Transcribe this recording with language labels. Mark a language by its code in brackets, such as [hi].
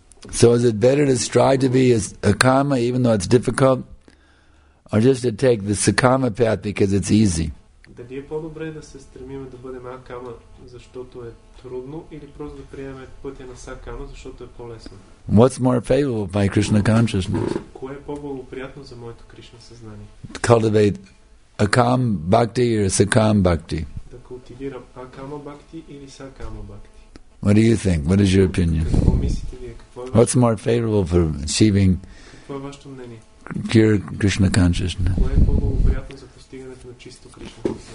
[en] So is it better to strive to be akama even though it's difficult? Or just to take the sakama path because it's easy? [bg] Дали е по-добре да се стремим да бъдем акама, защото е трудно, или просто да приемем пътя на сакама, защото е по-лесно? [en] What's more favorable by Krishna consciousness? [bg] Кое е по-благоприятно за моето Кришна съзнание? [en] Cultivate akam bhakti or sakam bhakti? [bg] Да култивирам акама бхакти или сакама бхакти? [en] What do you think? What is your opinion? [bg] Какво мислите вие? [en] What's more favorable for achieving? [bg] Какво е вашето мнение? [en] Pure Krishna consciousness. [bg] Кое е по-благоприятно за постигането на чисто Кришна?